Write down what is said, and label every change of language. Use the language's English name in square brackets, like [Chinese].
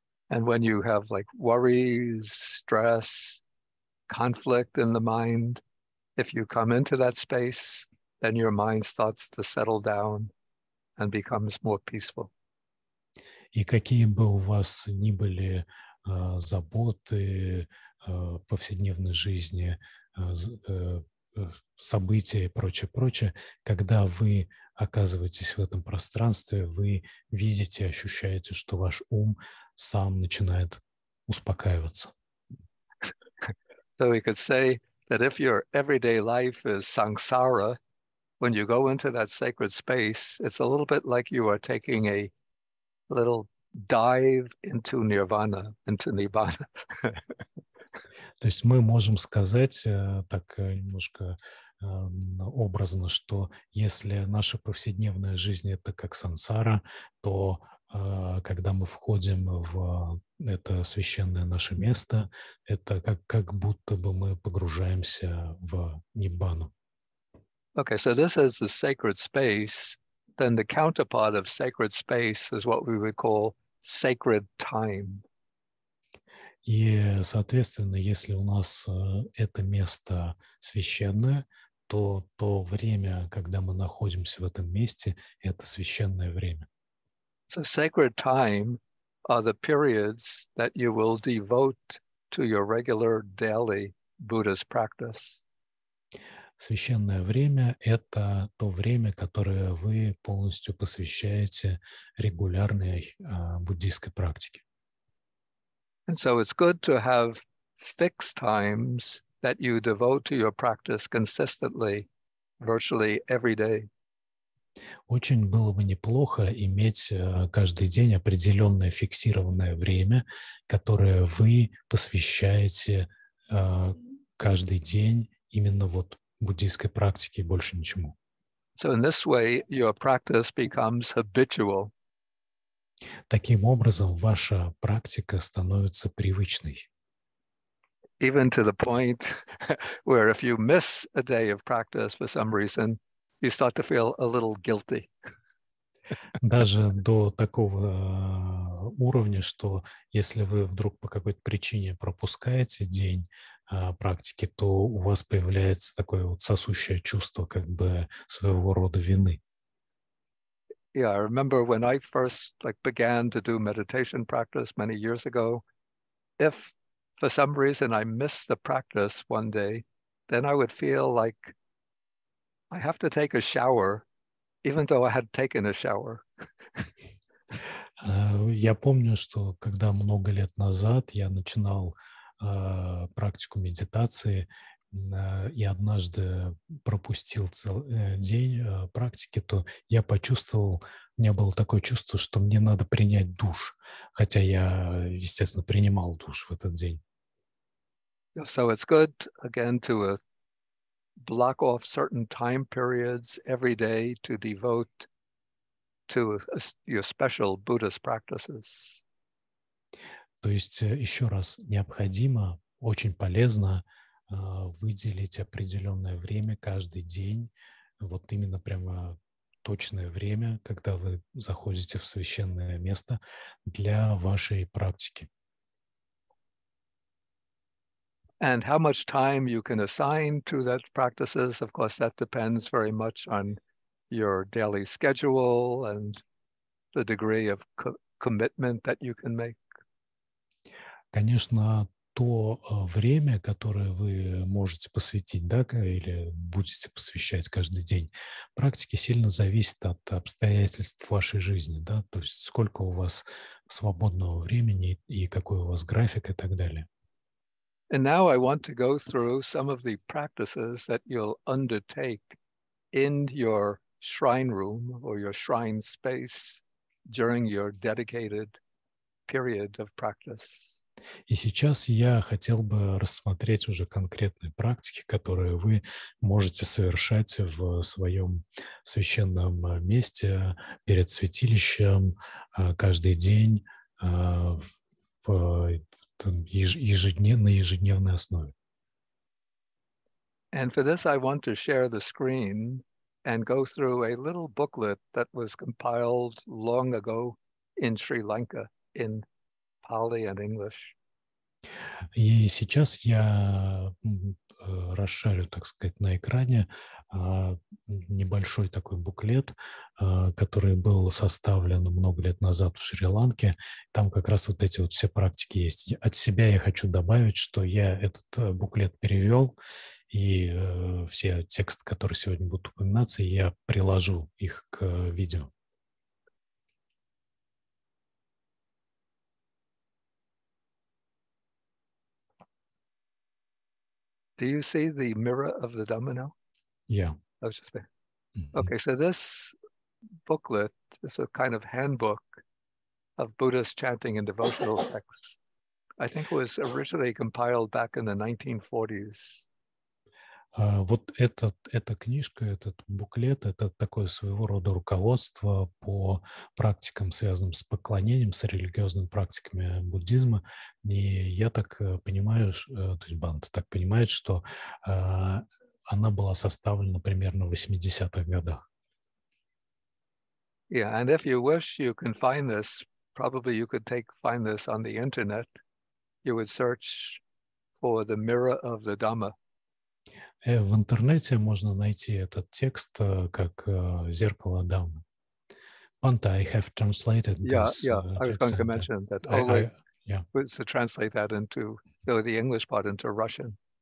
[English] And when you have like worries, stress, conflict in the mind, if you come into that space, then your mind starts to settle down and becomes more peaceful. [Russian] И какие бы у вас ни были заботы повседневной жизни, события и прочее, когда вы оказываетесь в этом пространстве, вы видите, ощущаете, что ваш ум сам начинает успокаиваться. [English] So we could say that if your everyday life is samsara, when you go into that sacred space, it's a little bit like you are taking a little dive into nirvana, into nibbana. [Russian] То есть мы можем сказать так немножко образно, что если наша повседневная жизнь — это как сансара, то когда мы входим в это священное наше место, это как будто бы мы погружаемся в ниббану. [English] Okay, so this is the sacred space. Then the counterpart of sacred space is what we would call sacred time. [Russian] И, соответственно, если у нас это место священное, то время, когда мы находимся в этом месте, это священное время. [English] So sacred time are the periods that you will devote to your regular daily Buddhist practice. [Russian] Священное время — это то время, которое вы полностью посвящаете регулярной буддийской практике. [English] And so it's good to have fixed times that you devote to your practice consistently, virtually every day. [Russian] Очень было бы неплохо иметь каждый день определенное фиксированное время, которое вы посвящаете каждый день именно вот буддийской практике и больше ничему. [English] So in this way, your practice becomes habitual. [Russian] Таким образом, ваша практика становится привычной. [English] Even to the point where if you miss a day of practice for some reason, you start to feel a little guilty. [Russian] Даже до такого уровня, что если вы вдруг по какой-то причине пропускаете день практики, то у вас появляется такое вот сосущее чувство как бы своего рода вины. [English] Yeah, I remember when I first like began to do meditation practice many years ago, if for some reason I missed the practice one day, then I would feel like I have to take a shower, even though I had taken a shower. [Russian] Я помню, что когда много лет назад я начинал практику медитации, и однажды пропустил день практики, то я почувствовал, у меня было такое чувство, что мне надо принять душ, хотя я, естественно, принимал душ в этот день. [English] So it's good, again, to block off certain time periods every day to devote to your special Buddhist practices. [Russian] То есть, еще раз, необходимо, очень полезно выделить определенное время каждый день, вот именно прямо точное время, когда вы заходите в священное место для вашей практики. [English] And how much time you can assign to that practices, of course, that depends very much on your daily schedule and the degree of commitment that you can make. [Russian] Конечно, то время, которое вы можете посвятить, да, или будете посвящать каждый день практике, сильно зависит от обстоятельств вашей жизни, да, то есть сколько у вас свободного времени и какой у вас график и так далее. [English] And now I want to go through some of the practices that you'll undertake in your shrine room or your shrine space during your dedicated period of practice. [Russian] И сейчас я хотел бы рассмотреть уже конкретные практики, которые вы можете совершать в своем священном месте перед святилищем каждый день на ежедневной основе. [English] And for this I want to share the screen and go through a little booklet that was compiled long ago in Sri Lanka in Pali and English. [Russian] И сейчас я расшарю, так сказать, на экране небольшой такой буклет, который был составлен много лет назад в Шри-Ланке. Там как раз вот эти вот все практики есть. От себя я хочу добавить, что я этот буклет перевел, и все тексты, которые сегодня будут упоминаться, я приложу их к видео. [English] Do you see the mirror of the Dhamma now? Yeah. I was just saying. Okay, so this booklet is a kind of handbook of Buddhist chanting and devotional texts. I think it was originally compiled back in the 1940s. [Russian] Вот эта книжка, этот буклет, это такое своего рода руководство по практикам, связанным с поклонением, с религиозными практиками буддизма. И я так понимаю, то есть Бант так понимает, что она была составлена примерно в 80-х годах. [English] Yeah, and if you wish, you can find this. Probably you could find this on the internet. You would search for the mirror of the Dhamma. [Russian] В интернете можно найти этот текст как «Зеркало Дамы». Панта, I have translated this. [English] Yeah, I was going to mention that Oleg was to translate that into the English part into Russian.